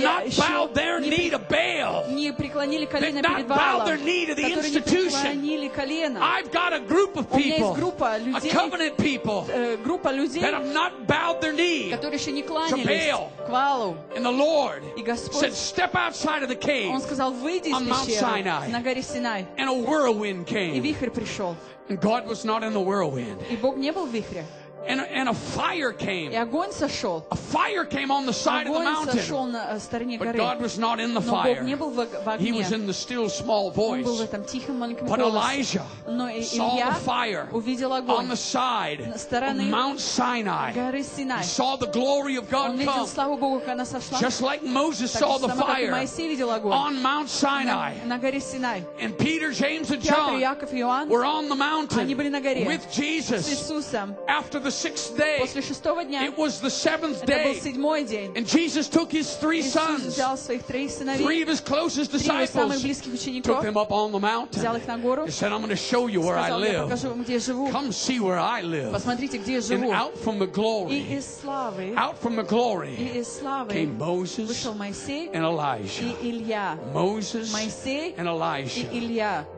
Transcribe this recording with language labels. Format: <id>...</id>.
<en>that have not bowed their knee to Baal.</en> <ru>Преклонили колено перед Баалом, которые не преклонили колено.</ru> <en>I've got a group of people,</en> <ru>у меня есть группа людей,</ru> <en>a covenant people,</en> <ru>группа людей,</ru> <en>that have not bowed their knee,</en> <ru>которые еще не кланялись к Баалу.</ru> <en>And the Lord</en> <ru>и Господь</ru> <en>said, step outside of the cave,</en> <ru>он сказал, выйди из пещеры на горе Синай.</ru> <en>And a whirlwind came,</en> <ru>и вихрь пришел.</ru> <en>And God was not in the whirlwind.</en> <ru>И Бог не был в вихре.</ru> <en>And a fire came.</en> <ru>И огонь сошел.</ru> <en>A fire came on the side</en> <ru>огонь</ru> <en>of the mountain.</en> <ru>Сошел на стороне горы.</ru> <en>But God was not in the fire.</en> <ru>Бог не был в огне.</ru> <en>He was in the still small voice.</en> <ru>Он был в этом тихом маленьком голосе.</ru> <en>But Elijah</en> <ru>Но</ru> <en>saw the fire</en> <ru>увидел огонь</ru> <en>on the side</en> <ru>на стороне</ru> <en>of Mount Sinai.</en> <ru>Горы Синай.</ru> <en>He saw the glory of God</en> <ru>Он видел Славу Богу, как она сошла.</ru> <en>Just like Moses saw the fire on Mount Sinai.</en> <ru>На горе Синай.</ru> <en>And Peter, James, and</en> <ru>Петр,</ru> <en>John</en> <ru>Яков, Иоанн,</ru> <en>were on the mountain</en> <ru>они были на горе</ru> <en>with Jesus</en> <ru>с Иисусом.</ru> <en>After the sixth day,</en> <ru>после шестого дня,</ru> <en>it was the seventh day,</en> <ru>это был седьмой день,</ru> <en>and Jesus took his three sons,</en> <ru>Иисус взял своих трех сыновей,</ru> <en>three of his closest disciples,</en> <ru>трех самых близких учеников,</ru> <en>took them up on the mountain,</en> <ru>взял их на гору,</ru> <en>and said, I'm going to show you where</en> <ru>сказал,</ru> <en>I live.</en> <ru>Я покажу вам, где я живу.</ru> <en>Come see where I live.</en> <ru>Посмотрите, где я живу.</ru> <en>And out from the glory,</en> <ru>и из славы,</ru> <en>out from the glory,</en> <ru>и из славы,</ru> <en>came Moses,</en> <ru>вышел Моисей,</ru> <en>and Elijah,</en> <ru>и Илья,</ru> <en>Moses,</en> <ru>Моисей,</ru> <en>and Elijah,</en> <ru>и Илья.</ru>